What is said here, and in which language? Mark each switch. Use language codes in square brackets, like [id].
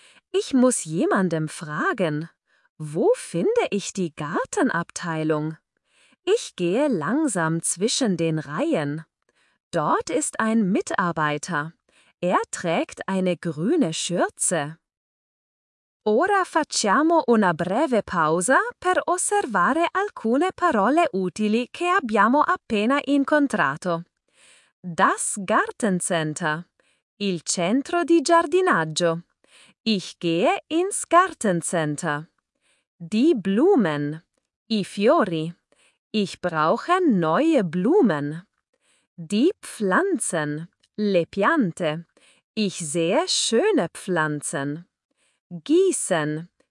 [de] Ich muss jemandem fragen. Wo finde ich die Gartenabteilung? Ich gehe langsam zwischen den Reihen. Dort ist ein Mitarbeiter. Er trägt eine grüne Schürze. [it] Ora facciamo una breve pausa per osservare alcune parole utili che abbiamo appena incontrato. [de] Das Gartencenter. [it] Il centro di giardinaggio. [de] Ich gehe ins Gartencenter. Die Blumen. [it] I fiori. [de] Ich brauche neue Blumen. Die Pflanzen. [it] Le piante. [de] Ich sehe schöne Pflanzen. Gießen.